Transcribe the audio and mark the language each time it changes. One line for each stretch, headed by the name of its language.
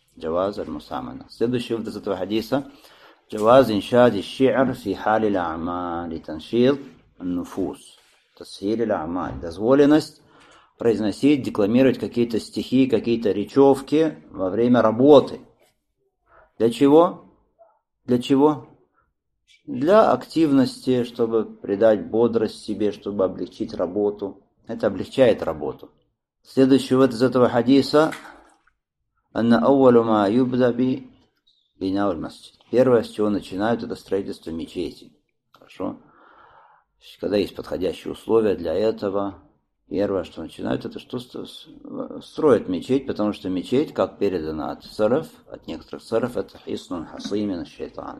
Arabic: Джаваз аль-мусамана.
Russian: Следующий вот из этого хадиса.
Arabic: جواز إنشاء الشعر في حال الأعمال لتنشيط النفوس تسهيل الأعمال
Russian: дозволенность произносить, декламировать какие-то стихи, какие-то речевки во время работы. Для чего? Для чего? Для активности, чтобы придать бодрость себе, чтобы облегчить работу. Это облегчает работу. Следующий вот из этого хадиса
Arabic: أن أول ما يبدأ ببناء المسجد.
Russian: Первое, с чего начинают, это строительство мечети. Хорошо? Когда есть подходящие условия для этого, первое, что начинают, это что строят мечеть, потому что мечеть, как передано от саров, от некоторых саров, это
Arabic: хиснун хасимин шайтан.